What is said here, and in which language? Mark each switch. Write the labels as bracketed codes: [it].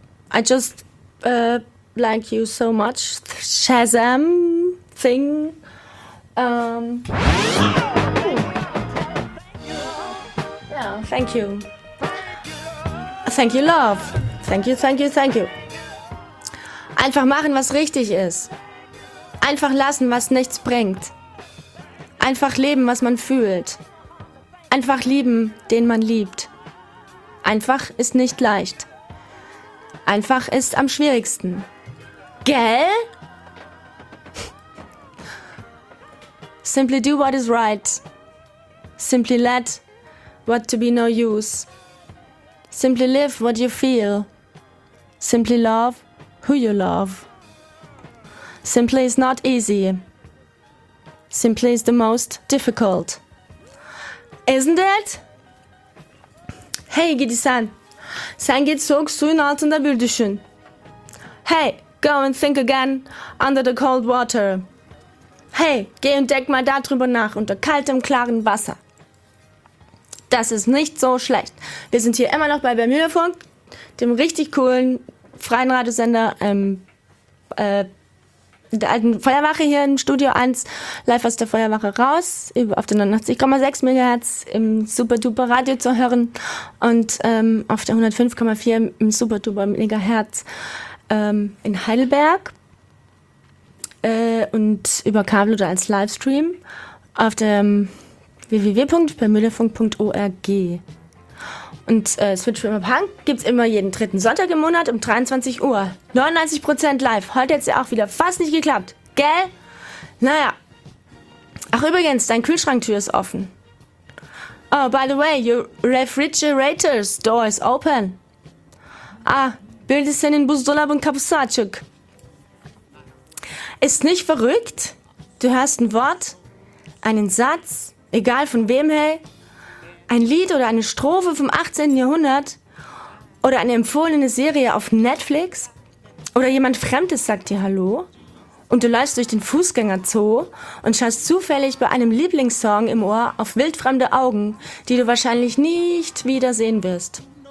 [en] I just like you so much, Shazam thing. Thank you. Thank you, love. Thank you, thank you, thank you. [de] Einfach machen, was richtig ist. Einfach lassen, was nichts bringt. Einfach leben, was man fühlt. Einfach lieben, den man liebt. Einfach ist nicht leicht. Einfach ist am schwierigsten. Gell? [en] Simply do what is right. Simply let what to be no use. Simply live what you feel. Simply love who you love. Simply is not easy. Simply is the most difficult. Isn't it? Hey, Gidi San. [tr] Sen git soğuk suyun altında bir düşün. [en] Hey, go and think again under the cold water. [de] Hey, geh und denk mal darüber nach unter kaltem, klarem Wasser. Das ist nicht so schlecht. Wir sind hier immer noch bei Bermudafunk, dem richtig coolen freien Radiosender der alten Feuerwache hier im Studio 1, live aus der Feuerwache raus, auf den 89,6 MHz im Superduper Radio zu hören und auf der 105,4 im Superduper Megahertz in Heidelberg und über Kabel oder als Livestream auf dem www.permüllefunk.org. Und Switch Rhythm Punk gibt es immer jeden dritten Sonntag im Monat um 23 Uhr. 99% live. Heute hat es ja auch wieder fast nicht geklappt. Gell? Naja. Ach übrigens, dein Kühlschranktür ist offen. [en] Oh, by the way, your refrigerator's door is open. [de] Ah, Bild ist in Busdolab und Kapusatschuk. Ist nicht verrückt? Du hörst ein Wort, einen Satz, egal von wem, hey, ein Lied oder eine Strophe vom 18. Jahrhundert oder eine empfohlene Serie auf Netflix oder jemand Fremdes sagt dir Hallo und du läufst durch den Fußgängerzoo und schaust zufällig bei einem Lieblingssong im Ohr auf wildfremde Augen, die du wahrscheinlich nicht wieder sehen wirst.